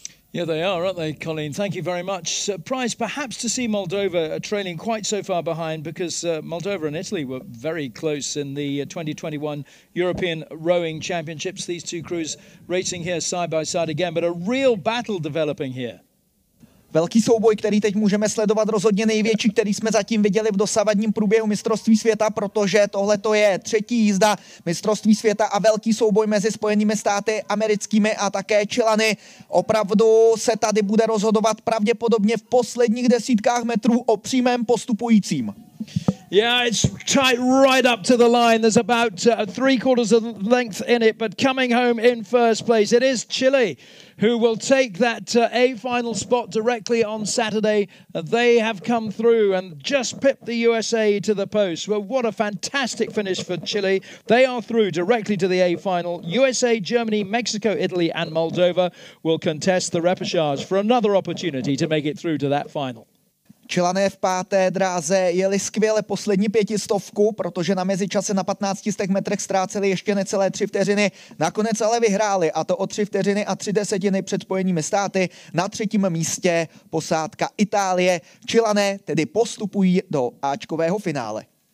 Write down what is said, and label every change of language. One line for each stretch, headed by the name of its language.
English: Yeah, they are, aren't they, Colleen? Thank you very much. Surprised perhaps to see Moldova trailing quite so far behind, because Moldova and Italy were very close in the 2021 European Rowing Championships. These two crews racing here side by side again, but a real battle developing here.
Czech: Velký souboj, který teď můžeme sledovat, rozhodně největší, který jsme zatím viděli v dosavadním průběhu mistrovství světa, protože tohle to je třetí jízda mistrovství světa a velký souboj mezi Spojenými státy americkými a také Čilany. Opravdu se tady bude rozhodovat pravděpodobně v posledních desítkách metrů o přímém postupujícím.
English: Yeah, it's tight right up to the line. There's about three quarters of length in it, but coming home in first place, it is Chile who will take that A final spot directly on Saturday. They have come through and just pipped the USA to the post. Well, what a fantastic finish for Chile. They are through directly to the A final. USA, Germany, Mexico, Italy and Moldova will contest the repechage for another opportunity to make it through to that final.
Czech: Čilané v páté dráze jeli skvěle poslední pětistovku, protože na mezičase na 1500 metrech ztráceli ještě necelé 3 vteřiny. Nakonec ale vyhráli, a to o 3 vteřiny a 3 desetiny před Spojenými státy. Na třetím místě posádka Itálie. Čilané tedy postupují do áčkového finále.